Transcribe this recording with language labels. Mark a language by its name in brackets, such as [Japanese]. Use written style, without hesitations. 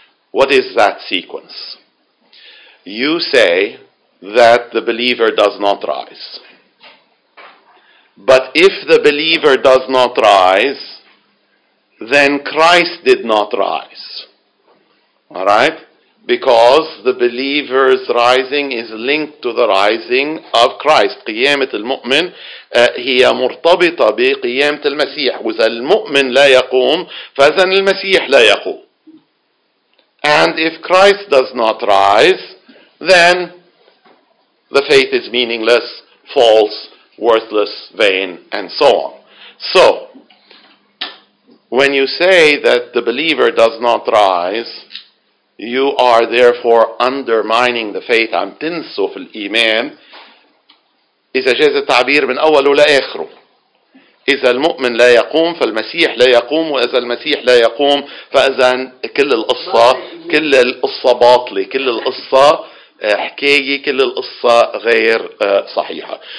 [English] What is that sequence? You say that the believer does not rise. But if the believer does not rise, then Christ did not rise. All right? Because the believer's rising is linked to the rising of Christ. [Arabic] قيامة المؤمن هي مرتبطة بقيامة المسيح. وإذا المؤمن لا يقوم فإذا المسيح لا يقوم. [English] And if Christ does not rise, then the faith is meaningless, false, worthless, vain, and so on. So, when you say that the believer does not rise, you are therefore undermining the faith. [Arabic] عم تنسوا في الإيمان إذا جاز التعبير من أوله لآخره. إذا المؤمن لا يقوم فالمسيح لا يقوم وإذا المسيح لا يقوم فإذا كل القصة باطلة, كل القصة حكاية, كل القصة غير صحيحة.